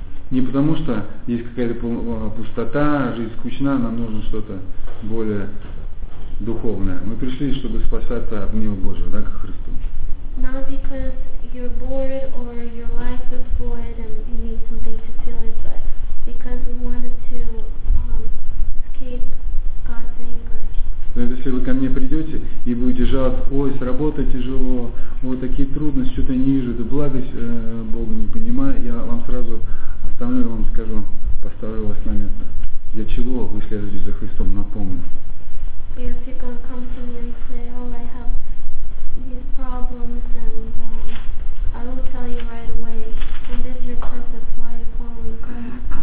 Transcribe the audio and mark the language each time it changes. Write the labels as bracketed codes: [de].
[ru] Не потому, что есть какая-то пустота, жизнь скучна, нам нужно что-то более духовное. Мы пришли, чтобы спасаться от гнева Божьего, да, к Христу. [en] Not because you're bored or your life is void and you need something to fill it, but because we wanted to escape God's anger. [ru] То есть если вы ко мне придете и будете жаловаться, ой, с работы тяжело, вот такие трудности, что-то не вижу, это благость Бога не понимаю, я вам сразу оставлю, вам скажу, поставлю вас на место. Для чего вы следуете за Христом, напомню. [en] If you can come to me and say, oh, I have these problems, and I will tell you right away, what is your purpose, why are you following Christ?